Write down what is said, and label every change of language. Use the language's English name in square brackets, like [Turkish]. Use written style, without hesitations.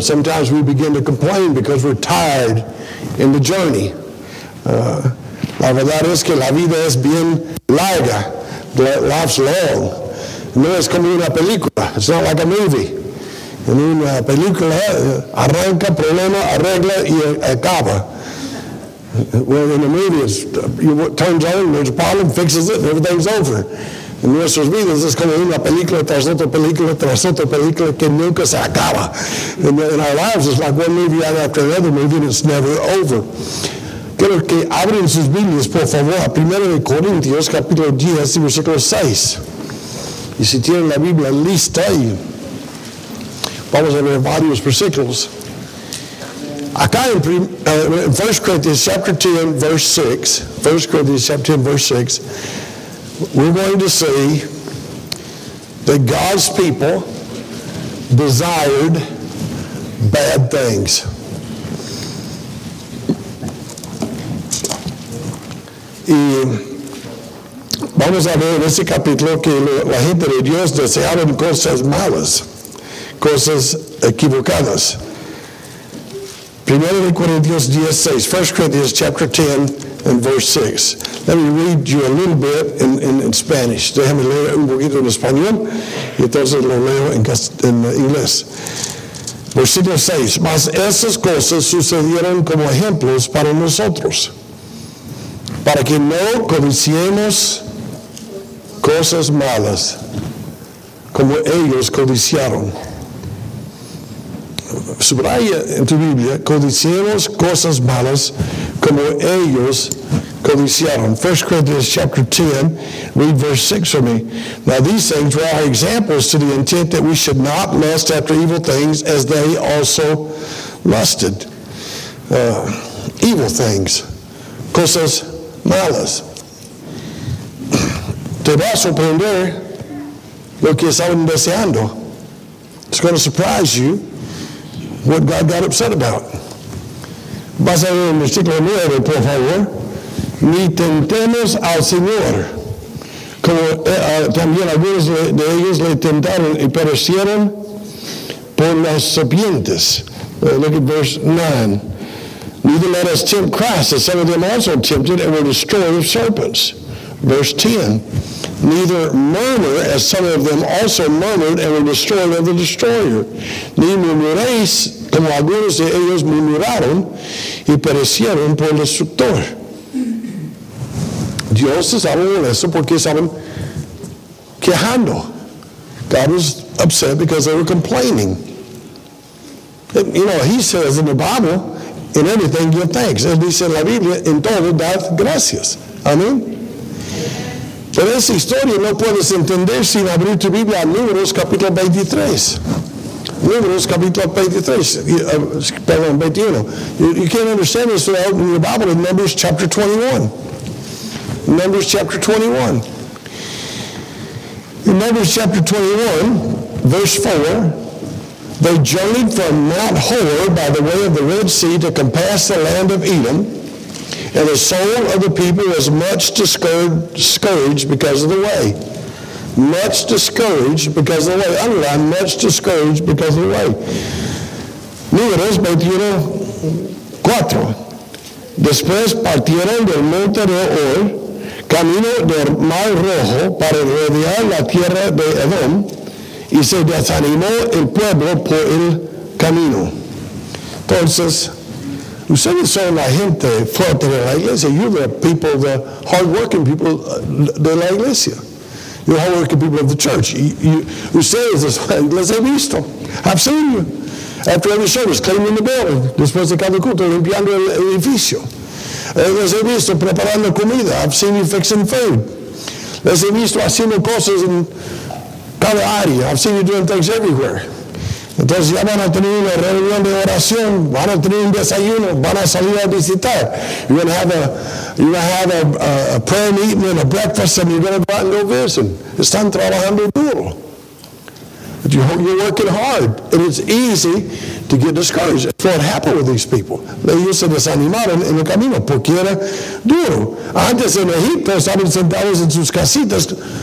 [English] Sometimes we begin to complain because we're tired in the journey. [Spanish] La verdad es que la vida es bien larga. [English] Life's long. [Spanish] No es como una película. [English] It's not like a movie. [Spanish] En una película, arranca, problema, arregla, y acaba. [English] Well, in a movie, it's, you turn on, there's a problem, fixes it, and everything's over. [Spanish] En nuestras vidas, es como una película tras otra película tras otra película que nunca se acaba. [English] In our lives, it's like one movie after another movie, and it's never over. [Spanish] Quiero que abren sus Biblias, por favor, a 1 Corintios, capítulo 10, versículo 6. Y si tienen la Biblia lista, y vamos a ver varios versículos. [English] Acá en 1 Corintios, chapter 10, verse 6, 1 Corintios, chapter 10, verse 6, we're going to see that God's people desired bad things. [Spanish] Y vamos a ver en ese capítulo que la gente de Dios deseaba cosas malas, cosas equivocadas. [English] 1 Corintios 10:6, 1 Corinthians chapter 10 and verse 6. Let me read you a little bit in Spanish. [Spanish] Déjame leer un poquito en español y entonces lo leo en inglés. Versículo 6. Mas esas cosas sucedieron como ejemplos para nosotros, para que no codiciemos cosas malas como ellos codiciaron. Subraya en tu Biblia, codiciemos cosas malas como ellos codiciaron. [English] 1 Corinthians chapter 10, read verse 6 for me. Now these things were our examples to the intent that we should not lust after evil things as they also lusted. Evil things, [Spanish] cosas malas. Te va a sorprender lo que estaban deseando. [English] It's going to surprise you what God got upset about. [Spanish] Vas a ver en versículo 9, por favor. Ni tentemos al Señor, como también algunos de ellos le tentaron y perecieron por las serpientes. [English] Look at verse 9. Neither let us tempt Christ, as some of them also tempted and were destroyed of serpents. Verse 10. Neither murmur, as some of them also murmured and were destroyed of the destroyer. [Spanish] Ni murmuréis, como algunos de ellos murmuraron y perecieron por el destructor. Dios estaba molesto porque estaban quejando. [English] God was upset because they were complaining. You know, he says in the Bible, in everything give thanks. [Spanish] Él dice en la Biblia, en todo, dad gracias. [English] Amén. [Spanish] Pero esa historia no puedes entender sin abrir tu Biblia a Números capítulo 23. Números capítulo 23, perdón, 21. [English] You can't understand this without opening your Bible in Numbers chapter 21. Numbers chapter 21. In Numbers chapter 21, verse 4, they journeyed from Mount Hor by the way of the Red Sea to compass the land of Edom. And the soul of the people was much discouraged because of the way. Much discouraged because of the way. Underline, much discouraged because of the way. [Spanish] Números 21:4. Después partieron del monte de Hor, camino del mar rojo, para rodear la tierra de Edom, y se desanimó el pueblo por el camino. Entonces, ustedes son la gente fuerte de la iglesia. [English] You're the people, the hardworking people [Spanish] de la iglesia. [English] You're hardworking people of the church. [Spanish] Ustedes les he visto. [English] I've seen you. After every service, cleaning the building. [Spanish] Después de cada culto, limpiando el edificio. Les he visto preparando comida. [English] I've seen you fixing food. [Spanish] Les he visto haciendo cosas en cada área. [English] I've seen you doing things everywhere. [Spanish] Entonces ya van a tener una reunión de oración, van a tener un desayuno, van a salir a visitar. [English] You're going to have a prayer meeting and a breakfast, and you're going to go out and go visit. [Spanish] Están trabajando duro. [English] But you're working hard, and it's easy to get discouraged. That's what happened with these people. They used to [Spanish] desanimar en el camino porque era duro. Antes en Egipto estaban sentados en sus casitas.